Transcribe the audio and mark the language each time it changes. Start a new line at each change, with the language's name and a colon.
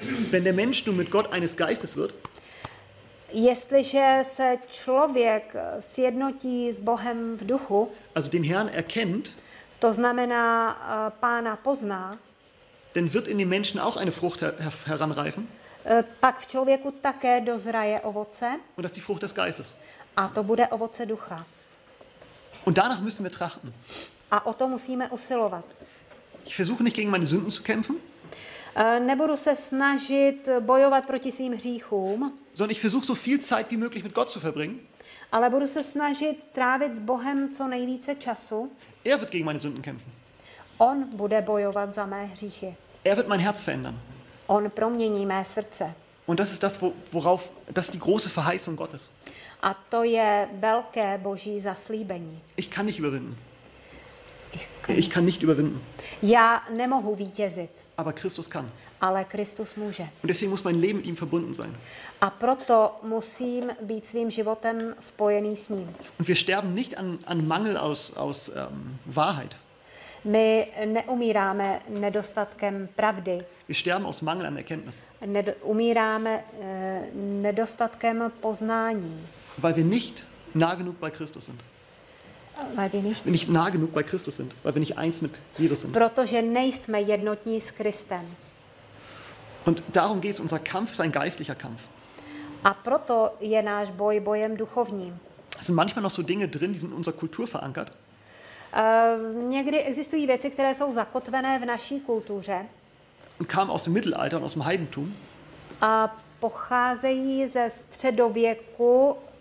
German: Wenn der Mensch nun mit Gott eines Geistes wird.
Czech: Jestliže se člověk sjednotí s Bohem v duchu,
German: also den Herrn erkennt,
Czech: to znamená Pána pozná,
German: dann wird in den Menschen auch eine Frucht heranreifen.
Czech: Pak v člověku také dozraje ovoce.
German: Und das ist die Frucht des Geistes.
Czech: A to bude ovoce ducha.
German: Und danach müssen wir trachten.
Czech: A o to musíme usilovat.
German: Ich versuche nicht gegen meine Sünden zu kämpfen.
Czech: Nebudu se snažit bojovat proti svým hříchům.
German: Sondern ich versuche so viel Zeit wie möglich mit Gott zu verbringen.
Czech: Ale budu se snažit trávit s Bohem co nejvíce času.
German: Er wird gegen meine Sünden kämpfen.
Czech: On bude bojovat za mé hříchy.
German: Er wird mein Herz verändern.
Czech: On promění mé srdce.
German: Und das ist das, worauf, das ist die große Verheißung Gottes.
Czech: A to je velké Boží zaslíbení.
German: Ich kann nicht überwinden. Ich kann nicht überwinden.
Czech: Já nemohu vítězit.
German: Aber Christus kann.
Czech: Ale Kristus může.
German: Und deswegen muss mein Leben mit ihm verbunden sein.
Czech: A proto musím být svým životem spojený s ním.
German: Und wir sterben nicht an Mangel aus Wahrheit.
Czech: My neumíráme nedostatkem pravdy.
German: Wir sterben aus Mangel an Erkenntnis.
Czech: Umíráme nedostatkem poznání.
German: Weil wir nicht nah genug bei Christus sind. Weil wir nicht nah genug bei Christus sind, weil wir nicht eins mit Jesus sind.
Czech: Protože nejsme jednotní s Kristem.
German: Und darum geht's, unser Kampf ist ein geistlicher Kampf.
Czech: A proto je náš boj bojem duchovním.
German: Es sind manchmal noch so Dinge drin, die sind in unserer Kultur verankert.
Czech: Někdy existují věci, které jsou zakotvené v naší kultuře.
German: Und kam aus dem Mittelalter und aus dem Heidentum.
Czech: A pocházejí ze středověku.